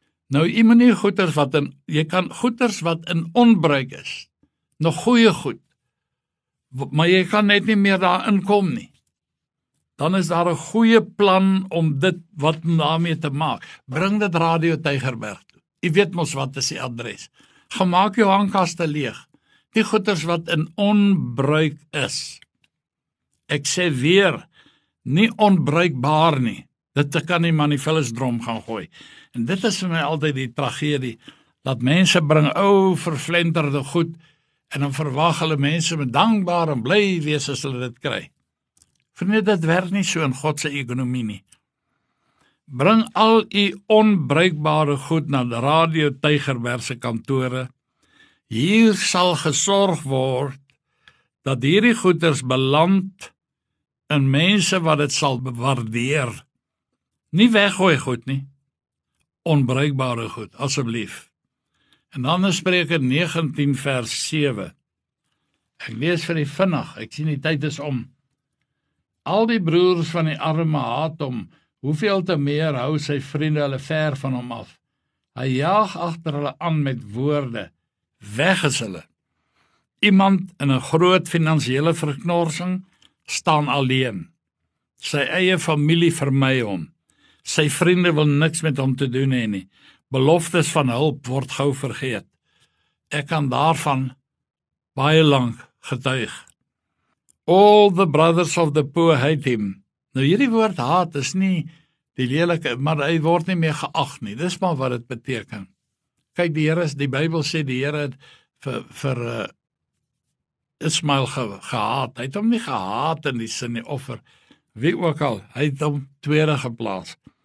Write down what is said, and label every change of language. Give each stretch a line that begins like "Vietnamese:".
Afrikaans: Nou, jy moet nie goeders wat in, jy kan goeders wat in onbruik is, nog goeie goed, maar jy kan net nie meer daarin kom nie. Dan is daar 'n goeie plan om dit wat daarmee te maak. Bring dit Radio Tygerberg toe. Jy weet mos wat is die adres. Gemaak jou hangkaste leeg. Die goeders wat in onbruik is. Ek sê weer, nie onbruikbaar nie. Dit kan nie man die vullisdrom gaan gooi. En dit is vir my altyd die tragedie, dat mense bring ou verflenterde goed, en dan verwag hulle mense met dankbaar en bly wees as hulle dit kry. Vriende, dit werk nie so in Godse ekonomie nie. Bring al die onbruikbare goed na die Radio Tygerbergse kantore. Hier sal gesorg word dat hierdie goeders beland in mense wat dit sal waardeer. Nie weggooi goed nie. Onbruikbare goed, asseblief. En dan is Spreuke 19 vers 7. Ek lees vir die vinnig, ek sien die tyd is om. Al die broers van die arme haat om, hoeveel te meer hou sy vriende hulle ver van hom af. Hy jaag agter hulle aan met woorde, weg is hulle. Iemand in 'n groot finansiële verknorsing staan alleen. Sy eie familie vermy hom. Sy vriende wil niks met hom te doen hê nie. Beloftes van hulp word gauw vergeet. Ek kan daarvan baie lank getuig.
English: All the brothers of the poor hate him.
Afrikaans: Nou hierdie woord haat is nie die lelike, maar hy word nie meer geag nie. Dis maar wat dit beteken. Kyk, die Here, die Bybel sê die Here het vir Ismael gehaat. Hy het hom nie gehaat in die sin nie, offer. Wie ook al, hy het hom tweede geplaas.